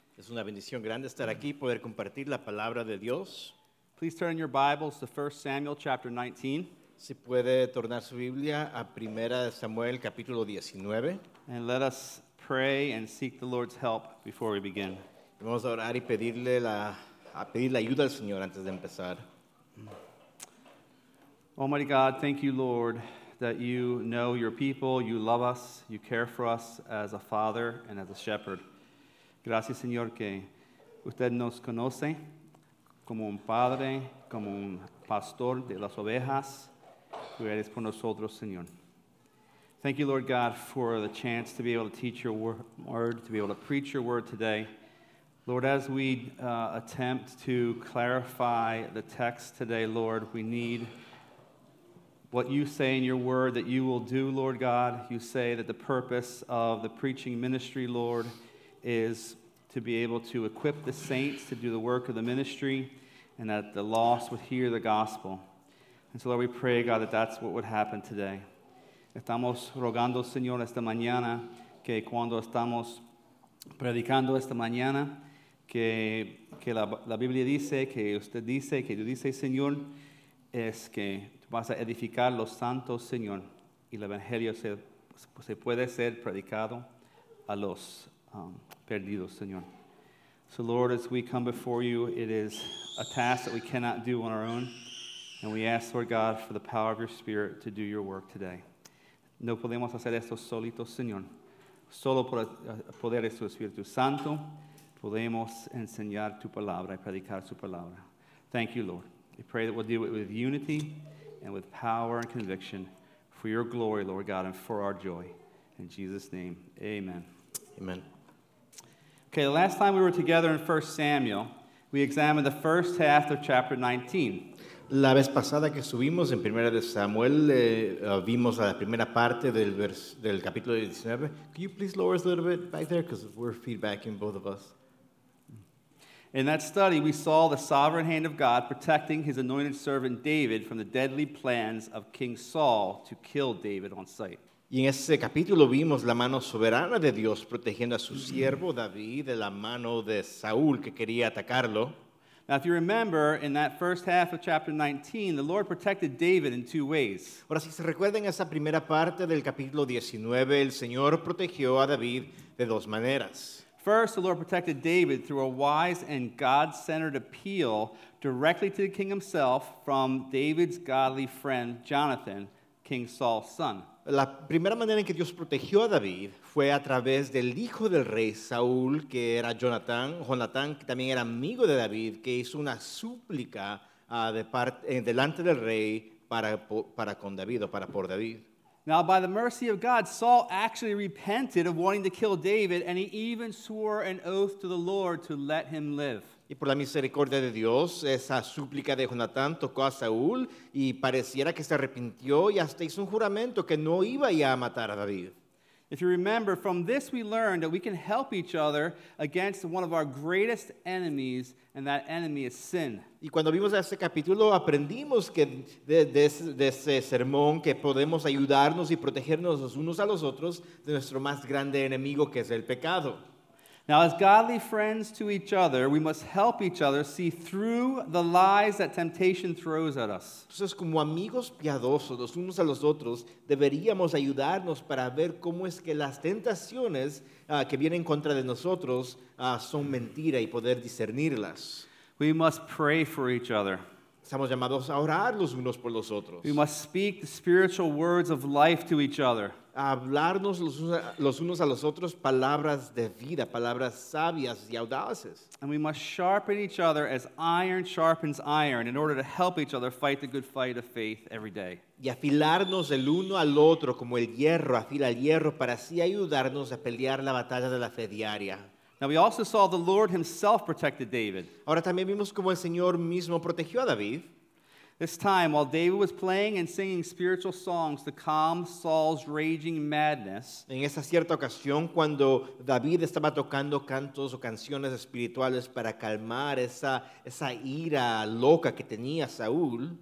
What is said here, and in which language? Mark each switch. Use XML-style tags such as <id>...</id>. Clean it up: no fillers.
<es>Es una bendición grande estar aquí, poder compartir la palabra de Dios.</es> <en>Please turn your Bibles to 1 Samuel chapter 19.</en> <es>Si puede tornar su Biblia a 1 Samuel capítulo 19.</es> <en>And let us pray and seek the Lord's help before we begin.</en> <es>Vamos a orar y pedirle la a pedir la ayuda al Señor antes de empezar.</es> <en>Almighty God, thank you, Lord, that you know your people, you love us, you care for us as a father and as a shepherd.</en> <es>Gracias, Señor, que usted nos conoce como un padre, como un pastor de las ovejas. Tú eres por nosotros, Señor.</es> <en>Thank you, Lord God, for the chance to be able to teach your word, to be able to preach your word today. Lord, as we attempt to clarify the text today, Lord, we need what you say in your word that you will do, Lord God. You say that the purpose of the preaching ministry, Lord, is to be able to equip the saints to do the work of the ministry and that the lost would hear the gospel. And so, Lord, we pray, God, that that's what would happen today.</en> <es>Estamos rogando, Señor, esta mañana que cuando estamos predicando esta mañana, que la Biblia dice, que usted dice, que tú dices, Señor, es que tú vas a edificar los santos, Señor, y el Evangelio se puede ser predicado a los perdidos, Señor.</es> <en>So, Lord, as we come before you, it is a task that we cannot do on our own, and we ask, Lord God, for the power of your Spirit to do your work today.</en> <es>No podemos hacer esto solitos, Señor. Solo por el poder de su Espíritu Santo podemos enseñar tu palabra y predicar su palabra.</es> <en>Thank you, Lord. We pray that we'll do it with unity and with power and conviction for your glory, Lord God, and for our joy. In Jesus' name, amen. Amen. Okay, the last time we were together in 1 Samuel, we examined the first half of chapter 19.</en> <es>La vez pasada que estuvimos en Primera de Samuel, vimos la primera parte del capítulo 19.</es> <en>Could you please lower us a little bit back there, because we're feedbacking both of us. In that study, we saw the sovereign hand of God protecting his anointed servant David from the deadly plans of King Saul to kill David on sight.</en> <es>Y en ese capítulo vimos la mano soberana de Dios protegiendo a su siervo David de la mano de Saúl que quería atacarlo.</es> <en>Now, if you remember, in that first half of chapter 19, the Lord protected David in two ways.</en> <es>Ahora, si se recuerdan esa primera parte del capítulo 19, el Señor protegió a David de dos maneras.</es> <en>First, the Lord protected David through a wise and God-centered appeal directly to the king himself from David's godly friend, Jonathan, King Saul's son.</en> <es>La primera manera en que Dios protegió a David fue a través del hijo del rey Saúl, que era Jonatán, que también era amigo de David, que hizo una súplica delante del rey para con David o para por David.</es> <en>Now, by the mercy of God, Saul actually repented of wanting to kill David, and he even swore an oath to the Lord to let him live.</en> <es>Y por la misericordia de Dios, esa súplica de Jonatán tocó a Saúl, y pareciera que se arrepintió, y hasta hizo un juramento que no iba ya a matar a David.</es> <en>If you remember, from this we learned that we can help each other against one of our greatest enemies, and that enemy is sin.</en> <es>Y cuando vimos ese capítulo, aprendimos que de ese sermón que podemos ayudarnos y protegernos los unos a los otros de nuestro más grande enemigo, que es el pecado.</es> <en>Now, as godly friends to each other, we must help each other see through the lies that temptation throws at us.</en> <es>Entonces, como amigos piadosos, los unos a los otros, deberíamos ayudarnos para ver cómo es que las tentaciones que vienen contra de nosotros son mentira y poder discernirlas.</es> <en>We must pray for each other.</en> <es>Estamos llamados a orar los unos por los otros.</es> <en>We must speak the spiritual words of life to each other.</en> <es>A hablarnos los unos a los otros palabras de vida, palabras sabias y audaces.</es> <en>And we must sharpen each other as iron sharpens iron in order to help each other fight the good fight of faith every day.</en> <es>Y afilarnos el uno al otro como el hierro afila el hierro para así ayudarnos a pelear la batalla de la fe diaria.</es> <en>Now we also saw the Lord himself protected David.</en> <es>Ahora también vimos cómo el Señor mismo protegió a David.</es> <en>This time, while David was playing and singing spiritual songs to calm Saul's raging madness,</en> <es>en esa cierta ocasión, cuando David estaba tocando cantos o canciones espirituales para calmar esa ira loca que tenía Saúl,</es>